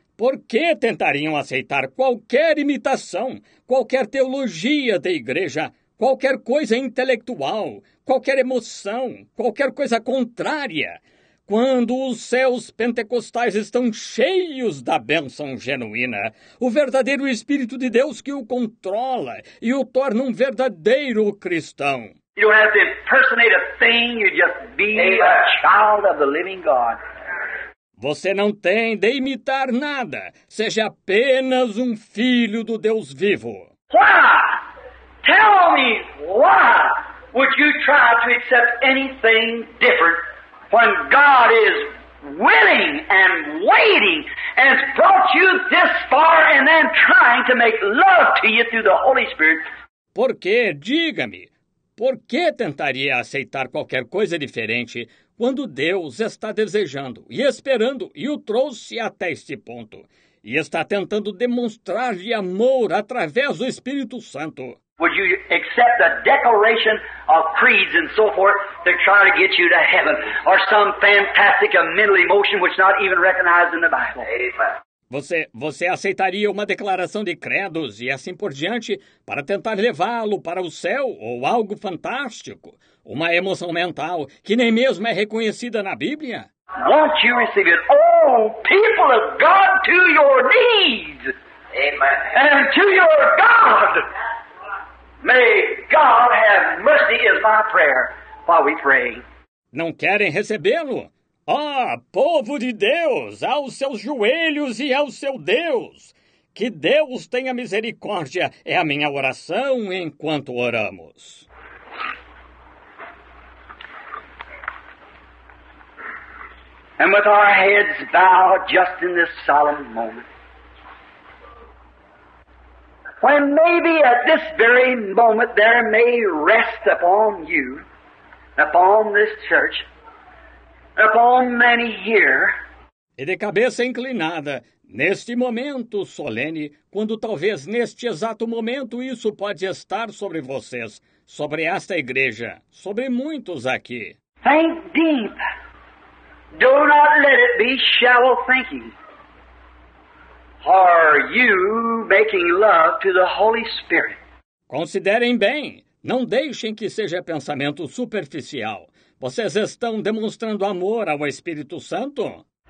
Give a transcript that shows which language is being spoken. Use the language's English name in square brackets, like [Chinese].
[Portuguese] Por que tentariam aceitar qualquer imitação, qualquer teologia da igreja, qualquer coisa intelectual, qualquer emoção, qualquer coisa contrária? Quando os céus pentecostais estão cheios da bênção genuína, o verdadeiro Espírito de Deus que o controla e o torna um verdadeiro cristão. [English] You don't have to impersonate a thing, you just be a child of the living God. [Portuguese] Você não tem de imitar nada, seja apenas um filho do Deus vivo. [English] Why? Tell me why would you try to accept anything different? When God is willing and waiting and has brought you this far and then trying to make love to you through the Holy Spirit. [Portuguese] Por que, diga-me, por que tentaria aceitar qualquer coisa diferente quando Deus está desejando e esperando e o trouxe até este ponto e está tentando demonstrar-lhe amor através do Espírito Santo? [English] Would you accept a declaration of creeds and so forth to try to get you to heaven? Or some fantastic mental emotion which is not even recognized in the Bible? [Portuguese] Você aceitaria uma declaração de credos e assim por diante para tentar levá-lo para o céu ou algo fantástico? Uma emoção mental que nem mesmo é reconhecida na Bíblia? [English] Won't you receive it? Oh, people of God, to your knees! Amen. And to your God! May God have mercy is my prayer while we pray. [Portuguese] Não querem recebê-lo? Ah, povo de Deus, aos seus joelhos e ao seu Deus. Que Deus tenha misericórdia é a minha oração enquanto oramos. [English] And with our heads bowed just in this solemn moment, when maybe at this very moment there may rest upon you, upon this church, upon many here. [Portuguese] E de cabeça inclinada, neste momento solene, quando talvez neste exato momento isso pode estar sobre vocês, sobre esta igreja, sobre muitos aqui. [English] Think deep. Do not let it be shallow thinking. Are you making love to the Holy Spirit? [Portuguese] Considerem bem. Não deixem que seja pensamento superficial. Vocês estão demonstrando amor ao Espírito Santo?